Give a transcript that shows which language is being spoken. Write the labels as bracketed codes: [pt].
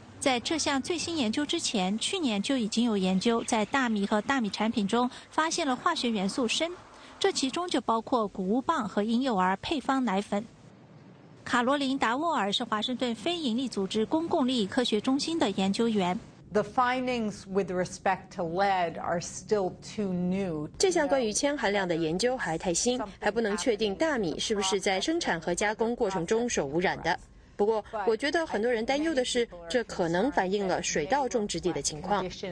[zh] 在这项最新研究之前，去年就已经有研究在大米和大米产品中发现了化学元素砷，这其中就包括谷物棒和婴幼儿配方奶粉。卡罗琳·达沃尔是华盛顿非营利组织公共利益科学中心的研究员。 [en] The findings with respect to lead are still too new. [zh] 这项关于铅含量的研究还太新，还不能确定大米是不是在生产和加工过程中受污染的。不过，我觉得很多人担忧的是，这可能反映了水稻种植地的情况。